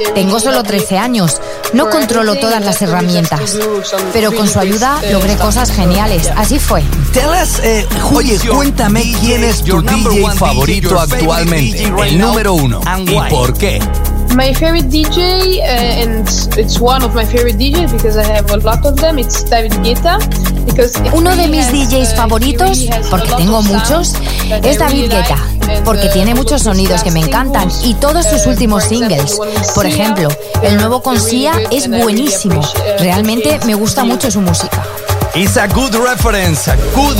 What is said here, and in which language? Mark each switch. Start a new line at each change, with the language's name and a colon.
Spanish: Tengo solo 13 años, no controlo todas las herramientas, pero con su ayuda logré cosas geniales. Así fue. Oye, cuéntame quién es tu DJ favorito actualmente, el número uno, y por qué.
English: My favorite DJ, and it's one of my favorite DJs because I have a lot of them, it's David Guetta.
Spanish: Uno de mis DJs favoritos, porque tengo muchos, es David Guetta, porque tiene muchos sonidos que me encantan y todos sus últimos singles. Por ejemplo, el nuevo con Sia es buenísimo. Realmente me gusta mucho su música.
English: It's a good reference. A good